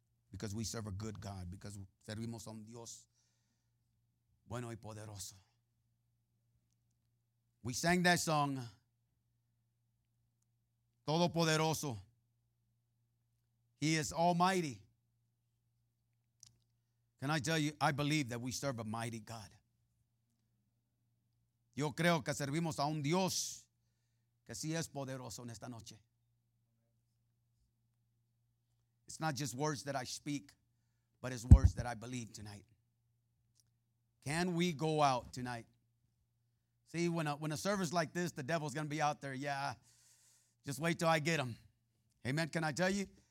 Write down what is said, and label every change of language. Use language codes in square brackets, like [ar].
[en] Because we serve a good God. Because [es] servimos a un Dios bueno y poderoso. [en] We sang that song, Todopoderoso. He is almighty. Can I tell you, I believe that we serve a mighty God. [es] Yo creo que servimos a un Dios que sí es poderoso en esta noche. [en] It's not just words that I speak, but it's words that I believe tonight. Can we go out tonight? See, when a service like this, the devil's going to be out there. Yeah, just wait till I get him. Amen. Can I tell you?